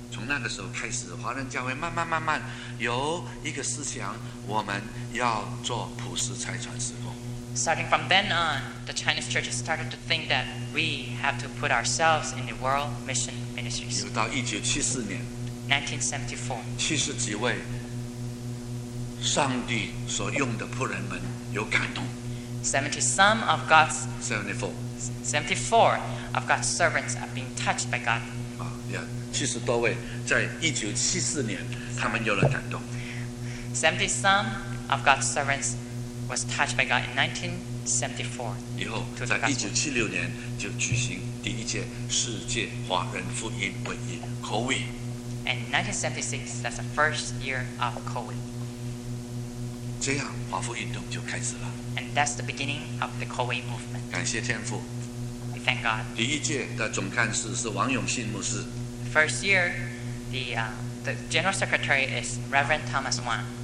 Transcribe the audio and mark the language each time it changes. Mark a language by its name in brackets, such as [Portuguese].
[Chinese] 从那个时候开始，华人教会慢慢慢慢有一个思想，我们要做普世财产事工。 [English] Starting from then on, the Chinese church started to think that we have to put ourselves in the world mission ministries. [Chinese] 又到1974年 [English] ,1974, [Chinese] 七十几位上帝所用的仆人们有感动。 [English] 74 of God's servants are being touched by God. [Chinese] 七十多位在1974年他们有了感动。 [English] 70-some of God's servants was touched by God in 1974. [Chinese] 以后在1976年就举行第一届世界华人福音会议 COWI. [English] And 1976, that's the first year of COWI. [Chinese] 这样华福运动就开始了。 [English] And that's the beginning of the COWI movement. [Chinese] 感谢天父。 [English] We thank God. [Chinese] 第一届的总干事是王永信牧师。 [English] First year, the general secretary is Reverend Thomas Wan.